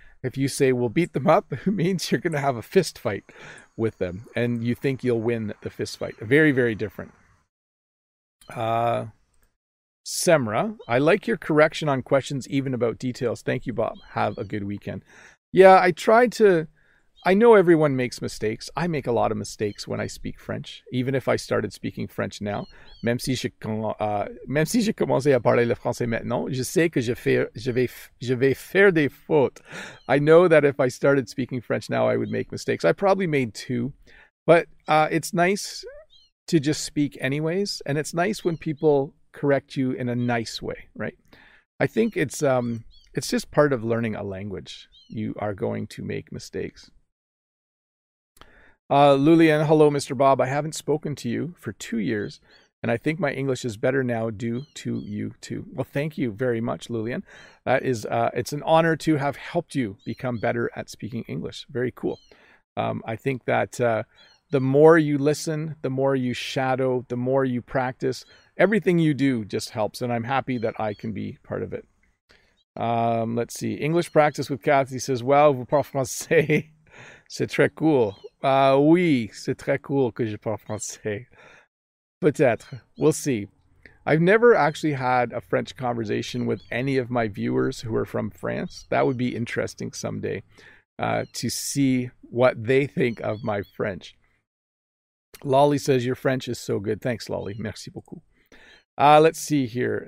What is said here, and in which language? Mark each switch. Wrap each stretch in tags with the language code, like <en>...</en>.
<en>If you say, we'll beat them up, it means you're going to have a fist fight with them and you think you'll win the fist fight. Very, very different. Semra, I like your correction on questions, even about details. Thank you, Bob. Have a good weekend. Yeah, I try to, I know everyone makes mistakes. I make a lot of mistakes when I speak French, even if I started speaking French now.</en> <fr>Même si je commence à parler le français maintenant, je sais que je vais faire des fautes.</fr> <en>I know that if I started speaking French now, I would make mistakes. I probably made two, but it's nice to just speak anyways, and it's nice when people correct you in a nice way, right? I think it's just part of learning a language. You are going to make mistakes. Lulian, hello, Mr. Bob. I haven't spoken to you for 2 years, and I think my English is better now due to you too. Well, thank you very much, Lulian. That is, it's an honor to have helped you become better at speaking English. Very cool. I think that the more you listen, the more you shadow, the more you practice, everything you do just helps, and I'm happy that I can be part of it. Let's see. English practice with Kathy says, well,</en> <fr>vous parlez français, c'est très cool. Oui, c'est très cool que je parle français. Peut-être.</fr> <en>We'll see. I've never actually had a French conversation with any of my viewers who are from France. That would be interesting someday to see what they think of my French. Lolly says, your French is so good. Thanks, Lolly.</en> <fr>Merci beaucoup.</fr> <en>Let's see here.</en>